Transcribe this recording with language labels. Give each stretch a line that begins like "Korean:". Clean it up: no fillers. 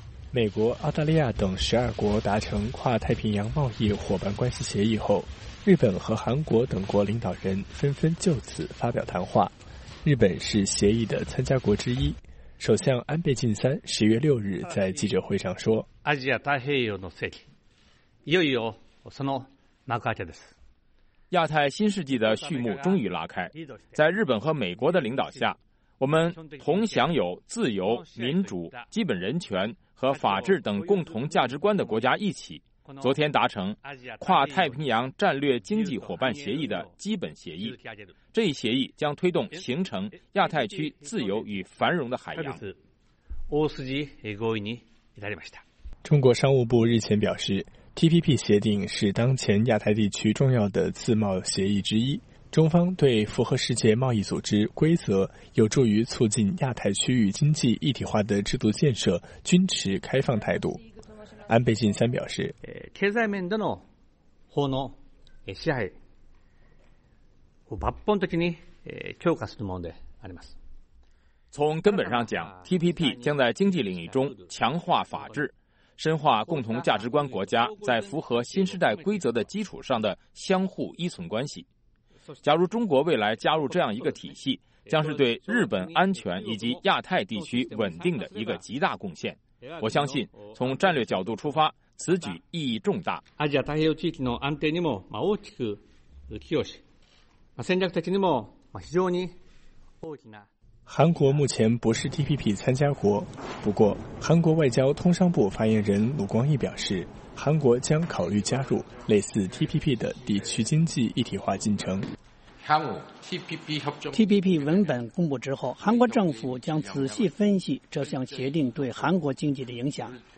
Chinese: 美国、澳大利亚等12国达成跨太平洋贸易伙伴关系协议后，日本和韩国等国领导人纷纷就此发表谈话。日本是协议的参加国之一，首相安倍晋三10月6日在记者会上说，
Japanese: アジア太平洋の世紀、いよいよその幕開けです。
Chinese: 亚太新世纪的序幕终于拉开，在日本和美国的领导下，我们同享有自由、民主、基本人权和法治等共同价值观的国家一起，昨天达成跨太平洋战略经济伙伴协议的基本协议。这一协议将推动形成亚太区自由与繁荣的海洋。中国商务部日前表示， TPP 协定是当前亚太地区重要的自贸协议之一，中方对符合世界贸易组织规则、有助于促进亚太区域经济一体化的制度建设均持开放态度。安倍晋三表示，
Japanese: 経済面での法の支配を抜本的に強化するものであります。
Chinese: 从根本上讲， TPP 将在经济领域中强化法治，深化共同价值观国家在符合新时代规则的基础上的相互依存关系。假如中国未来加入这样一个体系，将是对日本安全以及亚太地区稳定的一个极大贡献。我相信从战略角度出发，此举意义重大。
Japanese: アジア太平洋地域の安定にも大きく寄与し、戦略的にも非常に大きな。
Chinese: 韩国目前不是 TPP 参加国，不过韩国外交通商部发言人鲁光义表示，韩国将考虑加入类似 TPP 的地区经济一体化进程。 TPP 文本公布之后，韩国政府将仔细分析这项协定对韩国经济的影响。